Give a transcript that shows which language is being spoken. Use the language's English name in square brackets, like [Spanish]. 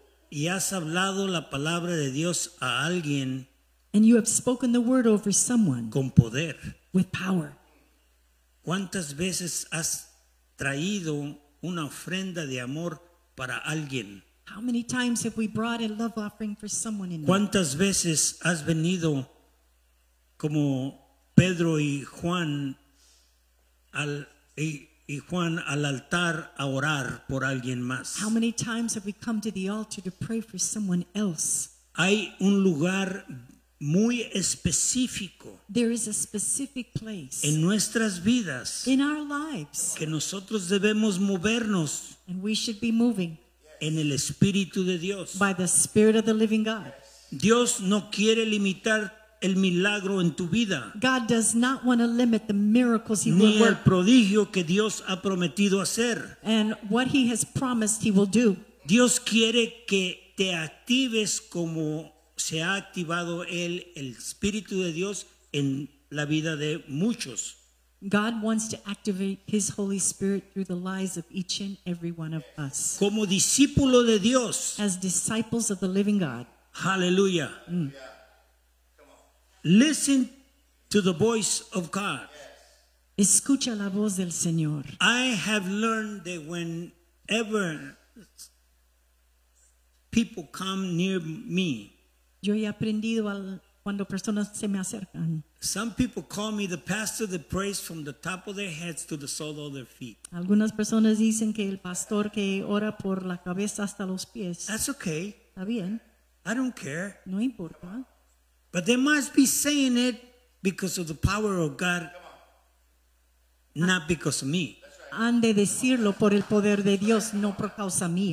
[Spanish] Y has hablado la palabra de Dios a alguien. [English] And you have spoken the word over someone. [Spanish] Con poder. [English] With power. [Spanish] ¿Cuántas veces has traído una ofrenda de amor para alguien? [English] How many times have we brought a love offering for someone in need? [Spanish] ¿Cuántas veces has venido como Pedro y Juan al altar a orar por alguien más? [English] How many times have we come to the altar to pray for someone else? [Spanish] Hay un lugar muy específico. [English] There is a specific place [Spanish] en nuestras vidas, [English] in our lives, [Spanish] que nosotros debemos movernos, [English] and we should be moving, [Spanish] en el Espíritu de Dios. [English] By the Spirit of the living God. [Spanish] Dios no quiere limitar el milagro en tu vida. [English] God does not want to limit the miracles he [Spanish] ni [English] will work. [Spanish] Ni el prodigio que Dios ha prometido hacer. [English] And what he has promised he will do. [Spanish] Dios quiere que te actives como se ha activado el Espíritu de Dios en la vida de muchos. [English] God wants to activate his Holy Spirit through the lives of each and every one of us. [Spanish] Como discípulo de Dios. [English] As disciples of the living God. Hallelujah. Mm. Yeah. Listen to the voice of God. [Spanish] Yes. Escucha la voz del Señor. [English] I have learned that whenever people come near me. [Spanish] Yo he aprendido al cuando personas se me acercan. [English] Some people call me the pastor that prays from the top of their heads to the sole of their feet. [Spanish] Algunas personas dicen que el pastor que ora por la cabeza hasta los pies. [English] That's okay. [Spanish] Está bien. [English] I don't care. [Spanish] No importa. [English] But they must be saying it because of the power of God, not because of me. [Spanish] Han de decirlo por el poder de Dios, no por causa mía.